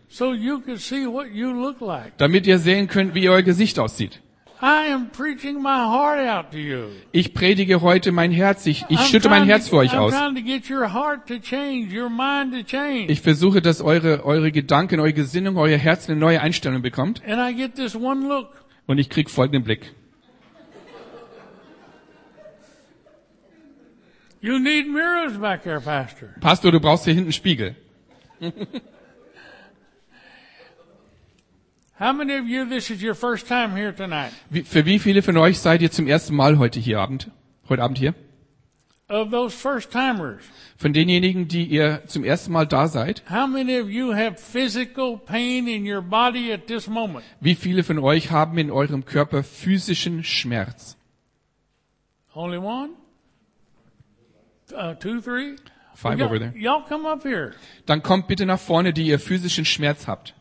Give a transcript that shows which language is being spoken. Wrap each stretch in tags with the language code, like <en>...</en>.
<en>so you could see what you look like.</en> <de>Damit ihr sehen könnt, wie euer Gesicht aussieht.</de> <en>I am preaching my heart out to you.</en> <de>Ich predige heute mein Herz. Ich schütte mein Herz für euch aus.</de> <en>I'm trying to get your heart to change, your mind to change.</en> <de>Ich versuche, dass eure Gedanken, eure Gesinnung, euer Herz eine neue Einstellung bekommt.</de> <en>And I get this one look.</en> <de>Und ich krieg folgenden Blick.</de> <en>You need mirrors back here, Pastor.</en> <de>Pastor, du brauchst hier hinten Spiegel.</de> <en>How many of you, this is your first time here tonight?</en> <de>Für wie viele von euch seid ihr zum ersten Mal heute Abend hier?</de> <en>Of those first timers.</en> <de>Von denjenigen, die ihr zum ersten Mal da seid.</de> <en>How many of you have physical pain in your body at this moment?</en> <de>Wie viele von euch haben in eurem Körper physischen Schmerz?</de> <en>Only one? Two, three? Five over there. Y'all come up here.</en> <de>Dann kommt bitte nach vorne, die ihr physischen Schmerz habt.</de>